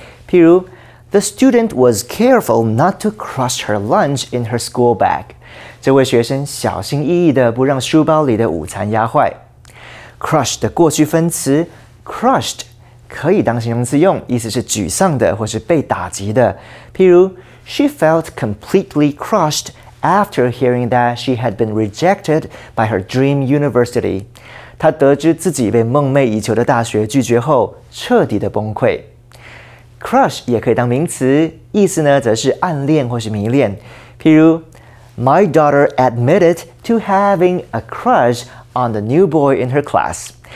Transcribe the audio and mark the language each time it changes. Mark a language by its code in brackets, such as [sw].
[en] The student was careful not to crush her lunch in her school bag. [zh] 这位学生小心翼翼地不让书包里的午餐压坏。 Crush 的过去分词 crushed 可以当形容词用，意思是沮丧的或是被打击的。譬如 [en] She felt completely crushed after hearing that she had been rejected by her dream university. [zh] 她得知自己被梦寐以求的大学拒绝后，彻底的崩溃。 Crush 也可以当名词，意思呢则是暗恋或是迷恋。譬如 [en] My daughter admitted to having a crush on the new boy in her class.